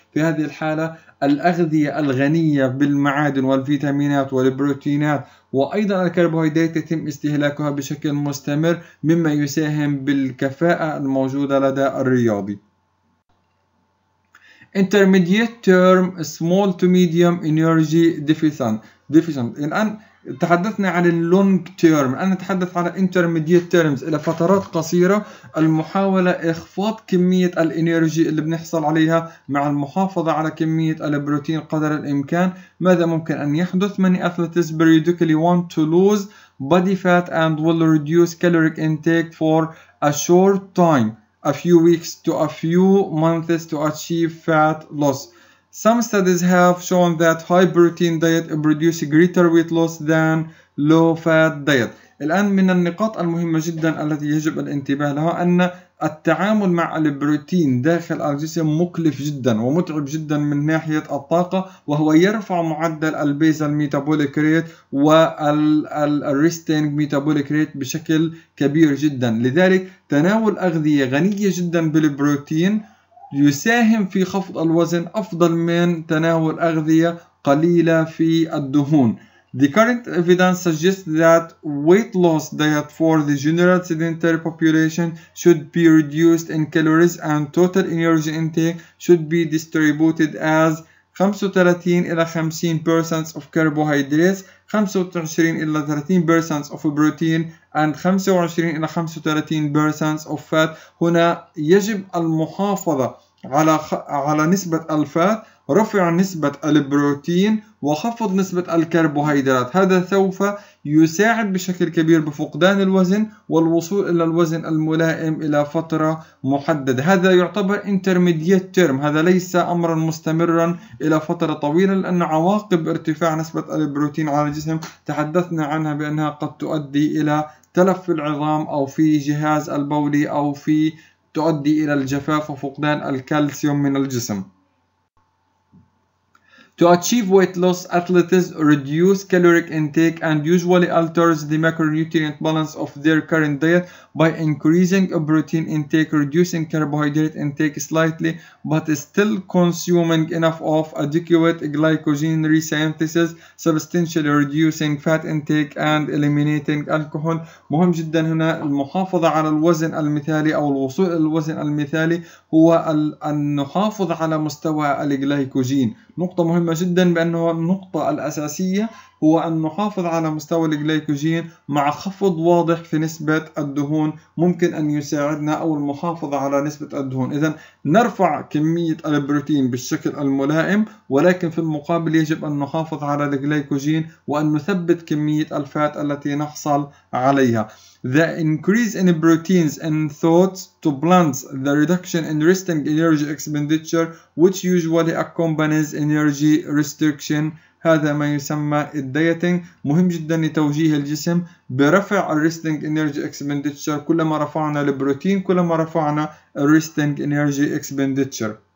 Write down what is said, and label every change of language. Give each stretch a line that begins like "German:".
Arabic: في هذه الحالة الأغذية الغنية بالمعادن والفيتامينات والبروتينات وأيضا الكربوهيدرات يتم استهلاكها بشكل مستمر مما يساهم بالكفاءة الموجودة لدى الرياضي.
English: Intermediate term small to medium energy deficient.
Arabic: الآن تحدثنا عن
English: long term،
Arabic: أنا أتحدث على
English: intermediate terms
Arabic: إلى فترات قصيرة المحاولة إخفاض كمية الإنيرجي اللي بنحصل عليها مع المحافظة على كمية البروتين قدر الإمكان. ماذا ممكن أن يحدث؟
English: Many athletes periodically want to lose body fat and will reduce caloric intake for a short time, a few weeks to a few months to achieve fat loss. Some studies have shown that high protein diet produces greater weight loss than low fat diet.
Arabic: الآن من النقاط المهمة جدا التي يجب الانتباه لها أن التعامل مع البروتين داخل الجسم مكلف جدا ومتعب جدا من ناحية الطاقة وهو يرفع معدل البيزل ميتابوليك ريت والريستينج ميتابوليك ريت بشكل كبير جدا. لذلك تناول أغذية غنية جدا بالبروتين يساهم في خفض الوزن أفضل من تناول أغذية قليلة في الدهون.
English: The current evidence suggests that weight loss diet for the general sedentary population should be reduced in calories and total energy intake should be distributed as 35-50% of carbohydrates, 25-30% of protein and 25-35% of fat.
Arabic: هنا يجب المحافظة على نسبة الفات، رفع نسبة البروتين وخفض نسبة الكربوهيدرات. هذا سوف يساعد بشكل كبير بفقدان الوزن والوصول إلى الوزن الملائم إلى فترة محددة. هذا يعتبر
English: intermediate term،
Arabic: هذا ليس أمرا مستمرا إلى فترة طويلة لأن عواقب ارتفاع نسبة البروتين على الجسم تحدثنا عنها بأنها قد تؤدي إلى تلف العظام أو في جهاز البولي أو في تؤدي إلى الجفاف وفقدان الكالسيوم من الجسم.
English: To achieve weight loss, athletes reduce caloric intake and usually alters the macronutrient balance of their current diet by increasing protein intake, reducing carbohydrate intake slightly, but still consuming enough of adequate glycogen resynthesis, substantially reducing fat intake and eliminating alcohol.
Arabic: مهم جدا هنا المحافظة على الوزن المثالي أو الوصول إلى الوزن المثالي هو أن نحافظ على مستوى الجلايكوجين. نقطة مهمة جدا بأنه النقطة الأساسية هو أن نحافظ على مستوى الجلايكوجين مع خفض واضح في نسبة الدهون ممكن أن يساعدنا أو المحافظة على نسبة الدهون. إذن نرفع كمية البروتين بالشكل الملائم ولكن في المقابل يجب أن نحافظ على الجلايكوجين وأن نثبت كمية الفات التي نحصل عليها.
English: The increase in proteins and thoughts to blunts the reduction in resting energy expenditure which usually accompanies energy restriction.
Arabic: هذا ما يسمى الدايتنج. مهم جدا لتوجيه الجسم برفع الريستنج انرجي اكسبندتشر. كلما رفعنا البروتين كلما رفعنا الريستنج انرجي اكسبندتشر.